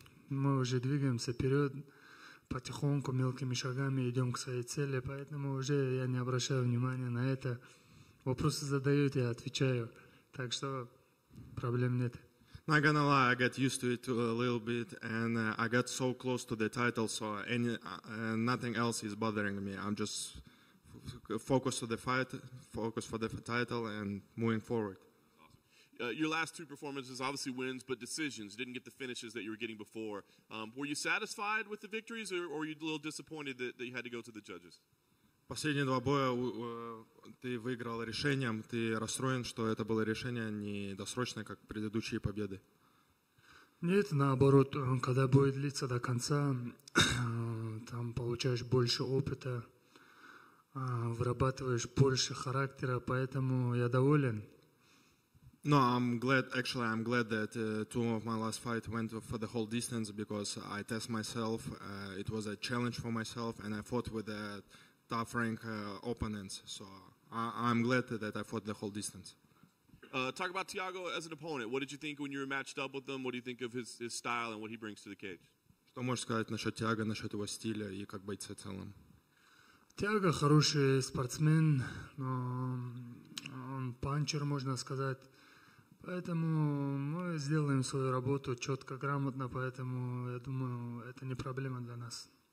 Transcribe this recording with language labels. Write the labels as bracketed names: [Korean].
[Russian] Мы уже двигаемся вперед, потихоньку, мелкими шагами идем к своей цели, поэтому уже я не обращаю внимания на это. Вопросы задают, я отвечаю. Так что проблем нет. [English] Not gonna lie, I got used to it a little bit, and I got so close to the title, so nothing else is bothering me. I'm just focused on the fight, focused for the title, and moving forward. Awesome. Your last two performances, obviously wins, but decisions. You didn't get the finishes that you were getting before. Were you satisfied with the victories, or were you a little disappointed that you had to go to the judges? [Russian] Последние два боя ты выиграл решением. Ты расстроен, что это было решение не досрочное, как предыдущие победы? Нет, наоборот. Когда бой длится до конца, там получаешь больше опыта, вырабатываешь больше характера, поэтому я доволен. [English] No, I'm glad. Actually, I'm glad that two of my last fight went for the whole distance because I test myself. It was a challenge for myself, and I fought with that. Tough rank opponents, so I'm glad that I fought the whole distance. Talk about Thiago as an opponent. What did you think when you were matched up with him? What do you think of his style and what he brings to the cage? [Russian] Что можешь сказать насчет Тиаго, насчет его стиля и как бойца в целом? Тиаго хороший спортсмен, но он панчер, можно сказать. Поэтому мы сделаем свою работу четко, грамотно, поэтому я думаю, это не проблема для нас.